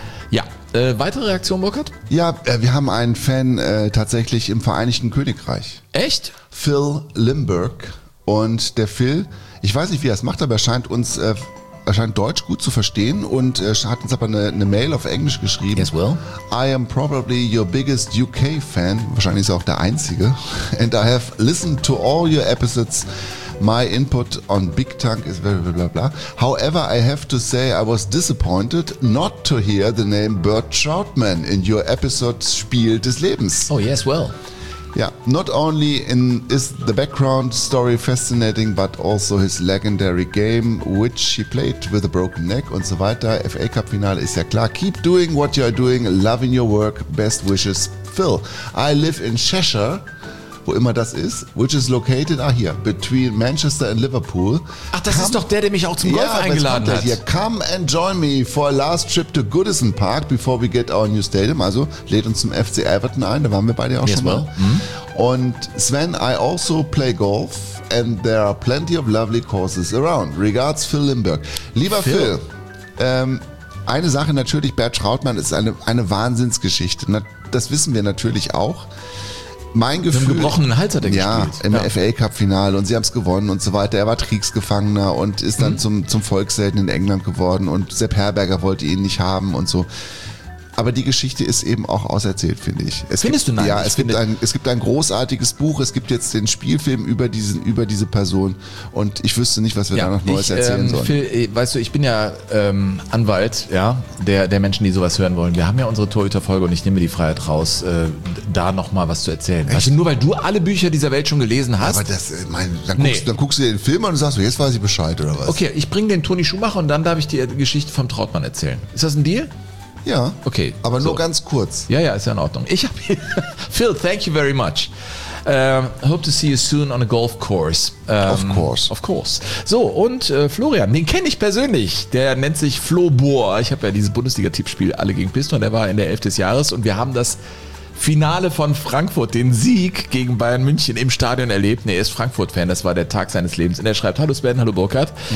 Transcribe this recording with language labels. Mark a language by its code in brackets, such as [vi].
[de] Ja, weitere Reaktion, Burkhard? Ja, wir haben einen Fan tatsächlich im Vereinigten Königreich. Echt? Phil Limburg. Und der Phil, ich weiß nicht, wie er es macht, aber er scheint Deutsch gut zu verstehen und hat uns aber eine Mail auf Englisch geschrieben. [en] Yes, Will. I am probably your biggest UK fan. [de] Wahrscheinlich ist er auch der Einzige. [en] And I have listened to all your episodes. My input on Big Tank is blah, blah, blah, blah. However, I have to say I was disappointed not to hear the name Bert Trautmann in your episode Spiel des Lebens. Oh, yes, well. Yeah, not only is the background story fascinating, but also his legendary game, which he played with a broken neck [de] und so weiter. FA Cup Finale ist ja klar. [en] Keep doing what you are doing, loving your work. Best wishes, Phil. I live in Cheshire, [de] wo immer das ist, [en] which is located, [de] hier, [en] between Manchester and Liverpool. [de] Ach, das ist doch der mich auch zum Golf eingeladen hat. Hier. [en] Come and join me for a last trip to Goodison Park before we get our new stadium. [de] Also, lädt uns zum FC Everton ein, da waren wir beide auch schon mal. [en] Und Sven, I also play golf and there are plenty of lovely courses around. Regards, Phil Limburg. [de] Lieber Phil, eine Sache natürlich, Bert Trautmann ist eine Wahnsinnsgeschichte. Das wissen wir natürlich auch. Mein Gefühl. Mit einem gebrochenen Hals hat er gespielt. Im FA Cup-Finale und sie haben es gewonnen und so weiter. Er war Kriegsgefangener und ist dann zum Volkshelden in England geworden und Sepp Herberger wollte ihn nicht haben und so. Aber die Geschichte ist eben auch auserzählt, finde ich. Es gibt ein großartiges Buch, es gibt jetzt den Spielfilm über diese Person und ich wüsste nicht, was wir da noch Neues erzählen sollen. Phil, weißt du, ich bin ja Anwalt der Menschen, die sowas hören wollen. Wir haben ja unsere Torhüter-Folge und ich nehme mir die Freiheit raus, da nochmal was zu erzählen. Echt? Weißt du, nur weil du alle Bücher dieser Welt schon gelesen hast. Aber dann guckst du dir den Film an und sagst, jetzt weiß ich Bescheid oder was? Okay, ich bringe den Toni Schumacher und dann darf ich die Geschichte vom Trautmann erzählen. Ist das ein Deal? Ja, okay, aber nur ganz kurz. Ja, ist ja in Ordnung. Ich habe Phil, [en] thank you very much. Hope to see you soon on a golf course. Of course. [de] So, und Florian, den kenne ich persönlich. Der nennt sich Flo Bohr. Ich habe ja dieses Bundesliga-Tippspiel alle gegen Piston. Der war in der Elf des Jahres und wir haben das Finale von Frankfurt, den Sieg gegen Bayern München im Stadion erlebt. Er ist Frankfurt-Fan, das war der Tag seines Lebens. Und er schreibt, hallo Sven, hallo Burkhard.